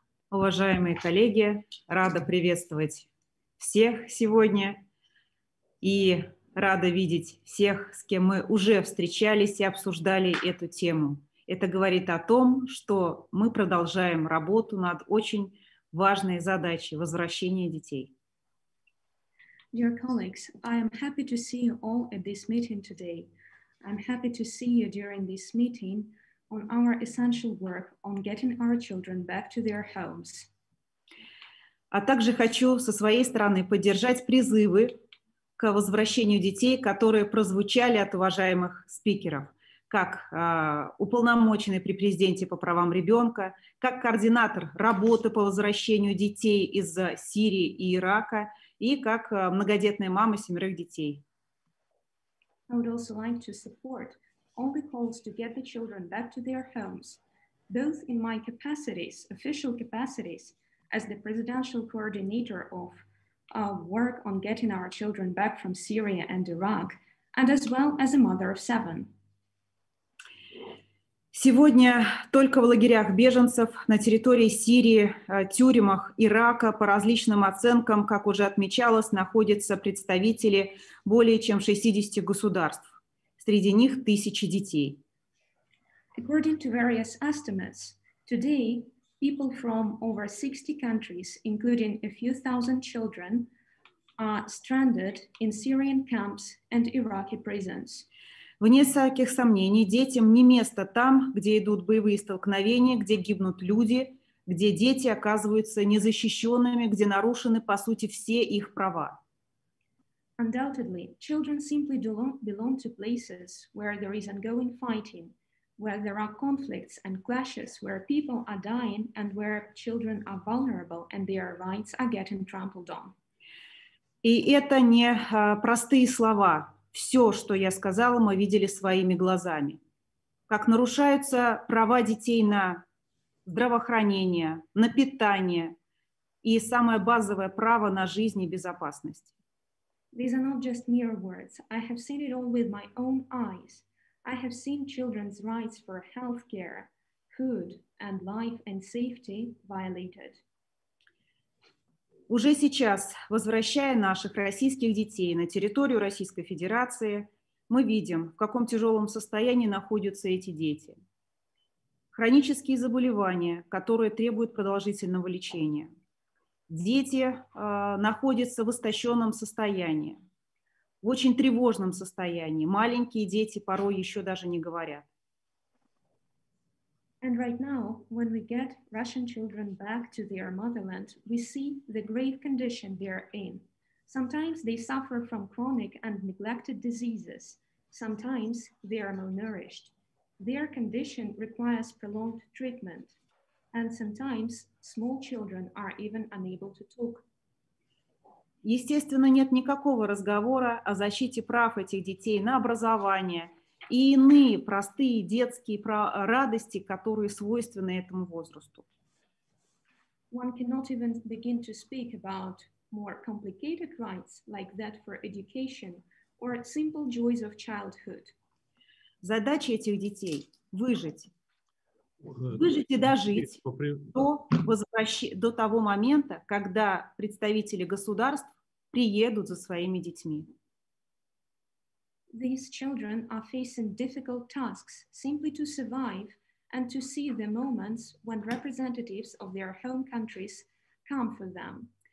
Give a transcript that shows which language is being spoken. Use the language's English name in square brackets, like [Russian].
[Russian] Уважаемые коллеги, рада приветствовать всех сегодня и рада видеть всех, с кем мы уже встречались и обсуждали эту тему. Это говорит о том, что мы продолжаем работу над очень важной задачей возвращения детей. [English] Dear colleagues, I am happy to see you all at this meeting today. I'm happy to see you during this meeting on our essential work on getting our children back to their homes. [Russian] А также хочу со своей стороны поддержать призывы к возвращению детей, которые прозвучали от уважаемых спикеров, как уполномоченный при президенте по правам ребенка, как координатор работы по возвращению детей из Сирии и Ирака и как многодетная мама семерых детей. [English] I would also like to support all the calls to get the children back to their homes, both in my capacities, official capacities, as the presidential coordinator of work on getting our children back from Syria and Iraq, and as well as a mother of seven. [Russian] Сегодня только в лагерях беженцев на территории Сирии, тюрьмах Ирака, по различным оценкам, как уже отмечалось, находятся представители более чем 60 государств, среди них тысячи детей. [English] According to various estimates, today people from over 60 countries, including a few thousand children, are stranded in Syrian camps and Iraqi prisons. [Russian] Вне всяких сомнений, детям не место там, где идут боевые столкновения, где гибнут люди, где дети оказываются незащищенными, где нарушены, по сути, все их права. [English] Undoubtedly, children simply belong to places where there is ongoing fighting, where there are conflicts and clashes, where people are dying and where children are vulnerable and their rights are getting trampled on. [Russian] И это не простые слова. Все, что я сказала, мы видели своими глазами. Как нарушаются права детей на здравоохранение, на питание и самое базовое право на жизнь и безопасность. [English] These are not just mere words. I have seen it all with my own eyes. I have seen children's rights for healthcare, food and life and safety violated. [Russian] Уже сейчас, возвращая наших российских детей на территорию Российской Федерации, мы видим, в каком тяжелом состоянии находятся эти дети. Хронические заболевания, которые требуют продолжительного лечения. Дети находятся в истощенном состоянии, в очень тревожном состоянии. Маленькие дети порой еще даже не говорят. [English] And right now, when we get Russian children back to their motherland, we see the grave condition they are in. Sometimes they suffer from chronic and neglected diseases. Sometimes they are malnourished. Their condition requires prolonged treatment. And sometimes small children are even unable to talk. [Russian] Естественно, нет никакого разговора о защите прав этих детей на образование, и иные простые детские радости, которые свойственны этому возрасту. [English] One cannot even begin to speak about more complicated rights like that for education or simple joys of childhood. [Russian] Задача этих детей – выжить и дожить до того момента, когда представители государств приедут за своими детьми. [English] These children are facing difficult tasks simply to survive and to see the moments when representatives of their home countries come for them.